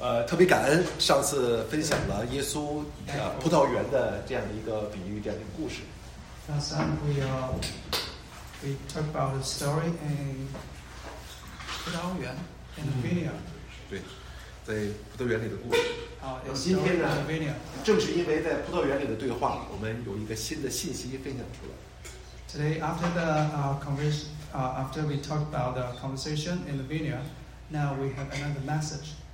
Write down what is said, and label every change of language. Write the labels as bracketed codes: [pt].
[zh] 特别感恩上次分享了耶稣葡萄园的这样的一个比喻，这样的一个故事。 [en] Last time we talk about the story in 葡萄园 in the vineyard。 [zh] 对，在葡萄园里的故事。今天呢，正是因为在葡萄园里的对话，我们有一个新的信息分享出来。 [en] Today after the conversation, after we talked about the conversation in the vineyard, now we have another message.